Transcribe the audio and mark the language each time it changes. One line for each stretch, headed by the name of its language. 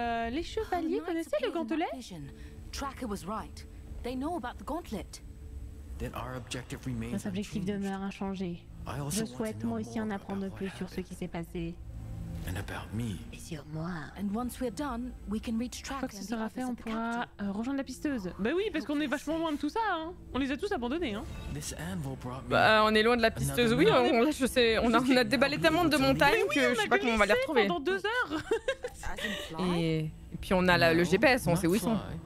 French: Les chevaliers connaissaient le gantelet?
English: Tracker was right. They know about the gauntlet. Then our objective remains unchanged.
French: Notre objectif demeure inchangé. Je souhaite moi aussi en apprendre plus sur ce qui s'est passé.
English: And about me.
French: Et sur moi.
English: And once we're done, we can reach Tracker.
French: Une fois que ce sera fait, on pourra rejoindre la pisteuse. Bah oui, parce qu'on est vachement loin de tout ça. Hein. On les a tous abandonnés. Hein. Bah on est loin de la pisteuse, oui. On a déballé tellement de montagnes que je sais pas comment on va les retrouver. Pendant deux heures. Et puis on a le GPS, on sait où ils sont.